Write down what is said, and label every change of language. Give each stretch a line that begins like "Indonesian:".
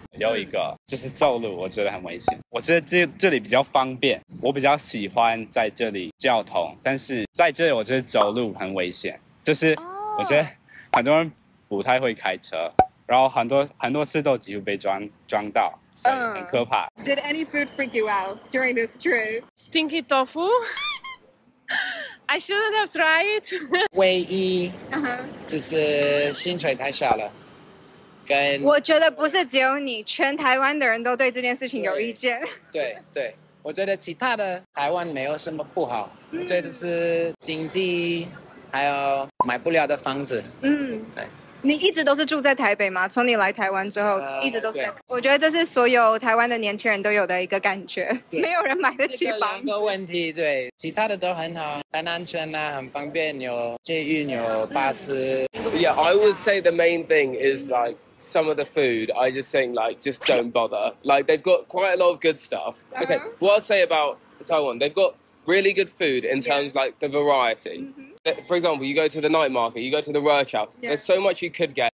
Chinese: 有一个，就是走路，我觉得很危险。我觉得这里比较方便，我比较喜欢在这里交通，但是在这里我觉得走路很危险。就是我觉得很多人不太会开车，然后很多次都几乎被撞到，所以很可怕。
English: Did any food freak you out during this trip? Stinky tofu. I shouldn't have tried.
Chinese: 唯一就是薪水太少了，跟我觉得不是只有你，全台湾的人都对这件事情有意见。对，我觉得其他的台湾没有什么不好，我觉得是经济还有买不了的房子。你一直都是住在台北吗？从你来台湾之后，一直都是在。我觉得这是所有台湾的年轻人都有的一个感觉，没有人买得起房子。这个、两个问题，对，其他的都很好，很安全啊，很方便，有捷运，有巴士。
English: Yeah, I would say the main thing is like some of the food. I just think like just don't bother. Like they've got quite a lot of good stuff. Okay, what I'd say about Taiwan, they've got really good food in terms like the variety. For example, you go to the night market, you go to the Rochow, there's so much you could get.